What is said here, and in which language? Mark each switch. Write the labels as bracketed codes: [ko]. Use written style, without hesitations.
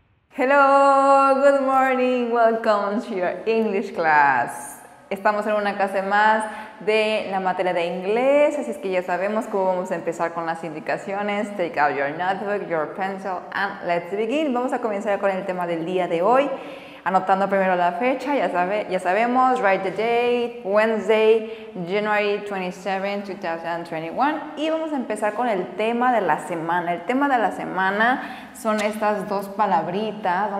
[en] Hello, good morning, welcome to your English class. [es] Estamos en una clase más de la materia de inglés, así es que ya sabemos cómo vamos a empezar con las indicaciones. [en] Take out your notebook, your pencil, and let's begin. [es] Vamos a comenzar con el tema del día de hoy, anotando primero la fecha. Ya sabemos, [en] write the date, Wednesday, January 27, 2021. [es] Y vamos a empezar con el tema de la semana. El tema de la semana son estas dos palabritas.